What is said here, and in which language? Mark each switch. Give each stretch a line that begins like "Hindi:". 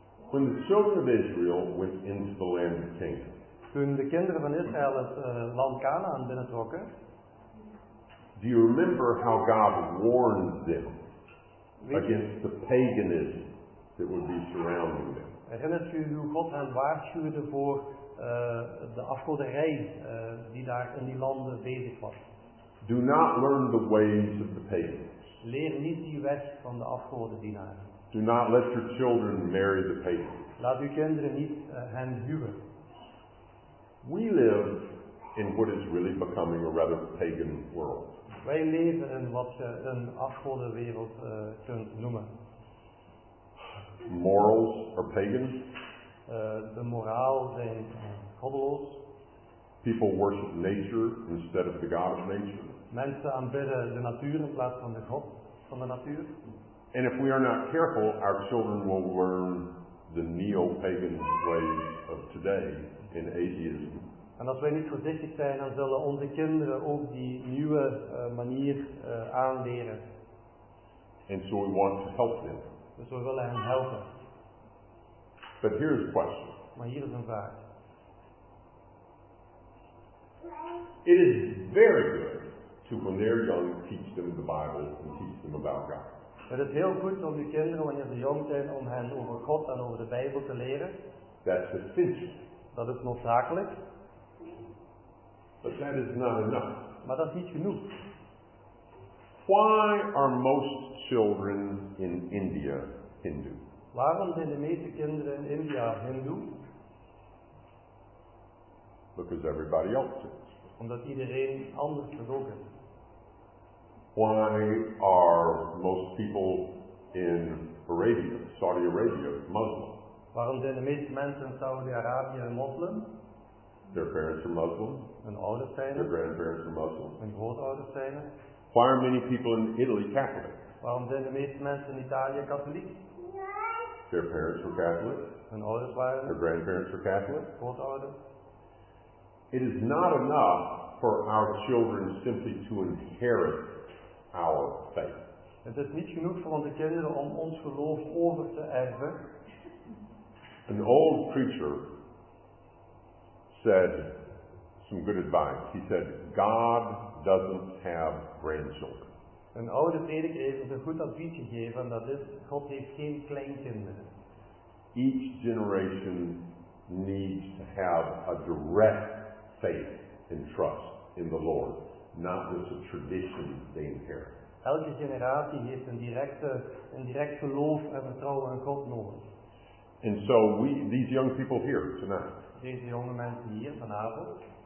English: When the children of Israel went into the land of Canaan.
Dutch: Toen de kinderen van Israël het land Canaan binnentrokken.
English: Do you remember how God warned them against the paganism that would be surrounding them?
Dutch: Herinnert u hoe God hen waarschuwde voor de afgoderij die daar in die landen bezig was?
English: Do not learn the ways of the pagans.
Dutch: Leer niet die weg van de afgodendienaren.
English: Do not let your children marry the pagans.
Dutch: Laat uw kinderen niet hen huwen.
English: We live in what is really becoming a rather pagan world.
Dutch: Wij leven in wat je een afgodenwereld kunt noemen.
English: Morals are pagan.
Dutch: De moraal zijn goddeloos.
English: People worship nature instead of the God of nature.
Dutch: Mensen aanbidden de natuur in plaats van de God van de natuur.
English: And if we are not careful, our children will learn the neo-pagan ways of today in atheism.
Dutch: En als wij niet voorzichtig zijn, dan zullen onze kinderen ook die nieuwe manier aanleren.
English: And so we want to help them.
Dutch: Dus we willen hen helpen.
English: But here is a question.
Dutch: Maar hier is een vraag.
English: It is very good to, when they're young, teach them the Bible and teach them about God.
Dutch: Het is heel goed om je kinderen, wanneer ze jong zijn, om hen over God en over de Bijbel te leren.
English: That's essential.
Dutch: Dat is noodzakelijk.
English: But that is not enough.
Dutch: Maar dat is niet genoeg.
English: Why are most children in India Hindu?
Dutch: Waarom zijn de meeste kinderen in India Hindu?
English: because everybody else is.
Dutch: Omdat iedereen anders gedoog is.
English: Why are most people in Arabia, Saudi Arabia, Muslim?
Dutch: Waarom zijn de meeste mensen in Saudi-Arabië moslim?
English: Their parents are Muslim.
Dutch: Hun ouders zijn.
English: Their grandparents are Muslim.
Dutch: Hun grootouders zijn.
English: Why are many people in Italy Catholic?
Dutch: Waarom zijn de meeste mensen in Italië katholiek?
English: Their parents were Catholic.
Dutch: Hun ouders waren.
English: Their grandparents were Catholic.
Dutch: Grootouders.
English: It is not enough for our children simply to inherit our faith.
Dutch: Het is niet genoeg voor onze kinderen om ons geloof over te erven.
English: An old preacher said some good advice. He said, God doesn't have grandchildren.
Dutch: Een oude prediker heeft een goed advies gegeven, dat is, God heeft geen kleinkinderen.
English: Each generation needs to have a direct faith and trust in the Lord, not just a tradition they inherit.
Dutch: Elke generatie heeft een direct geloof en vertrouwen in God nodig.
English: And so these young people here tonight,
Dutch: deze jonge mensen hier vanavond,